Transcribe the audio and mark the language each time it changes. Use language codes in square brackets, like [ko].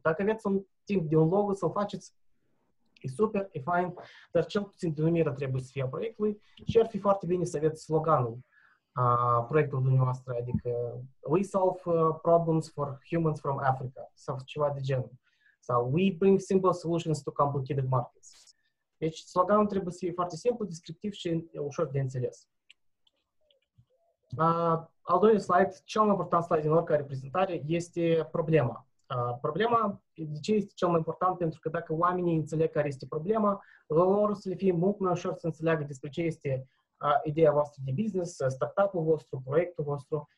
[ro] Dacă aveți un timp de un logo, să-l faceți, e super, e fine, dar cel puțin denumirea trebuie să fie a proiectului și ar fi foarte bine să aveți sloganul proiectul dumneavoastră, adică [en] We solve problems for humans from Africa, [ro] sau ceva de genul. Sau [en] We bring simple solutions to complicated markets. [ro] Deci, sloganul trebuie să fie foarte simplu, descriptiv și ușor de înțeles. Al doilea slide, cel mai important slide din oricare prezentare, este problema. Problema, de ce este cel mai important? Pentru că dacă oamenii înțeleg care este problema, lor o să le fie mult mai ușor să înțeleagă despre ce este ideea voastră de business, startup-ul vostru, proiectul vostru.